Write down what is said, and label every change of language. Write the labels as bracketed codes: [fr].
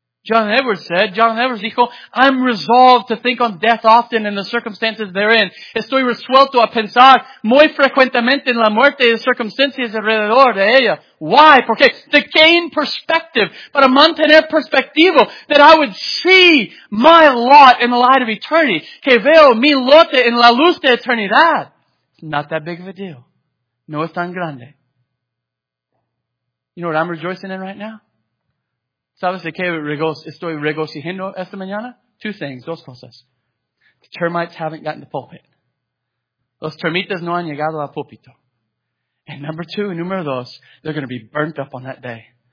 [en] John Edwards dijo, I'm resolved to think on death often in the circumstances therein. [es] Estoy resuelto a pensar muy frecuentemente en la muerte y las circunstancias alrededor de ella. [en] Why? Porque to gain perspective, [es] para mantener perspectivo, [en] that I would see my lot in the light of eternity. [es] Que veo mi lote en la luz de eternidad. [en] It's not that big of a deal. [es] No es tan grande. [en] You know what I'm rejoicing in right now? [es] ¿Sabes de qué estoy regocijando esta mañana? [en] Two things, [es] dos cosas. [en] The termites haven't gotten the pulpit. [es] Los termitas no han llegado al púlpito. [en] And number two, and [es] número dos, [en] they're going to be burnt up on that day.